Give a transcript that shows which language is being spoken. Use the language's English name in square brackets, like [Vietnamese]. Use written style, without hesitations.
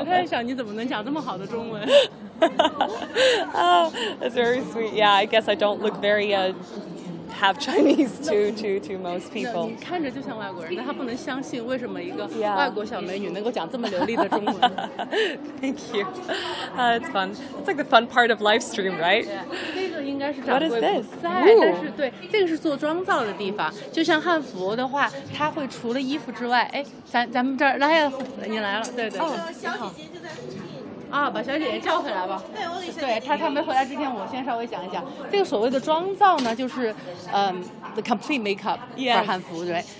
[Chinese] 我在想你怎么能讲这么好的中文。 [English] Oh, that's very sweet. Yeah, I guess I don't look very have Chinese to most people. [Chinese] 你看着就像外国人，但他不能相信为什么一个外国小美女能够讲这么流利的中文。 [English] Thank you. It's fun. It's like the fun part of live stream, right? What is this? [Chinese] 但是对，这个是做妆造的地方。就像汉服的话，它会除了衣服之外，哎，咱们这儿来呀，你来了，对对。小姐姐就在附近。啊，把小姐姐叫回来吧。对，我给小姐姐。对，她没回来之前，我先稍微讲一讲。这个所谓的妆造呢，就是 [English] the complete makeup for [Chinese] 汉服，对。